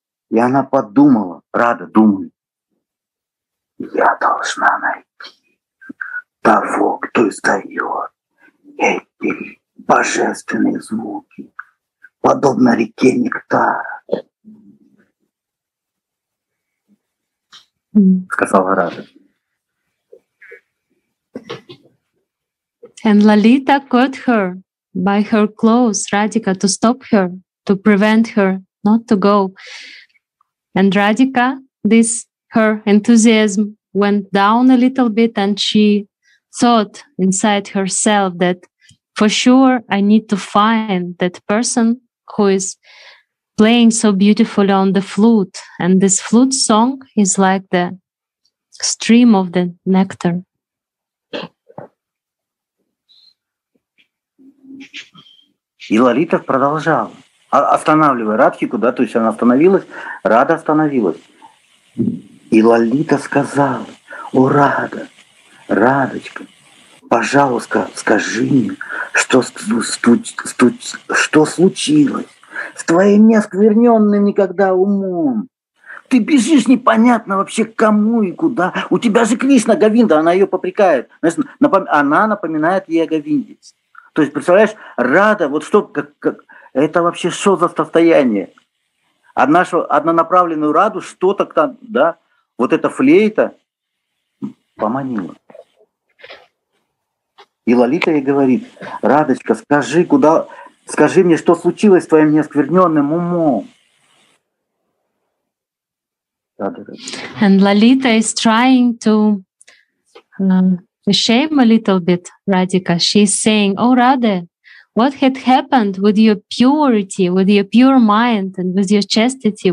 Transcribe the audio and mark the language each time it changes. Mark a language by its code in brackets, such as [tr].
[ru] И она подумала, Рада думает: я должна найти того, кто издает эти божественные звуки, подобно реке Нектара, сказала Рада. [en] And Lalita caught her by her clothes, Radhika, to stop her, to prevent her not to go. And Radhika, this her enthusiasm went down a little bit, and she thought inside herself that, for sure, I need to find that person who is playing so beautifully on the flute. And this flute song is like the stream of the nectar. [ru] И Лолита продолжала, останавливая Радхику, да, то есть она остановилась, Рада остановилась. И Лолита сказала: о, Рада, Радочка, пожалуйста, скажи мне, что случилось с твоим неоскверненным никогда умом? Ты бежишь непонятно вообще кому и куда. У тебя же Кришна, Говинда, она ее попрекает. Знаешь, она напоминает ей о Говинде. То есть, представляешь, Рада, вот что, как это вообще, что за состояние? Однонаправленную Раду что-то там, да, вот эта флейта поманила. И Лолита ей говорит: Радочка, скажи мне, что случилось с твоим неоскверненным умом. [en] And Lolita is trying to shame a little bit Radhika. She's saying, oh, Rada, what had happened with your purity, with your pure mind and with your chastity?